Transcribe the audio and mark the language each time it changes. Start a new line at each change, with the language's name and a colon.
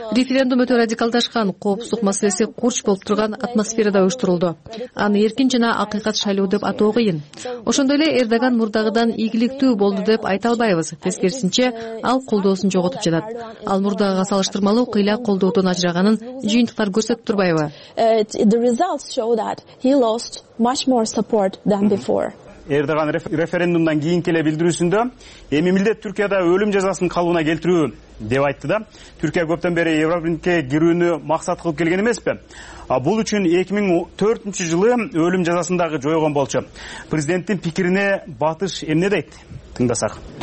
Kyrgyz: Референдум өтө радикалдашкан, коопсуздук маселеси курч болуп турган атмосферада уюштурулду. Аны эркин жана акыйкат шайлоо деп атоо кыйын. Ошондой эле Эрдоган мурдагыдан ийгиликтүү болду деп айта албайбыз. Тескерисинче, ал колдоосун жоготуп жатат. Ал мурдагыга салыштырмалуу кыйла колдоодон ажыраганын жыйынтыктар көрсөтүп турбайбы?
English: The results show that he lost much more support than before.
Kyrgyz: Эрдоган референдумдан кийинки эле билдирүүсүндө эми милдет Түркияда өлүм жазасын калыбына келтирүү деп айтты да. Түркия көптөн бери Европабиримдикке кирүүнү максат кылып келген эмеспи? Бул үчүн 2004 жылы өлүм жазасын дагы жойгон болчу. Президенттин пикирине Батыш эмне дейт? Тыңдасак.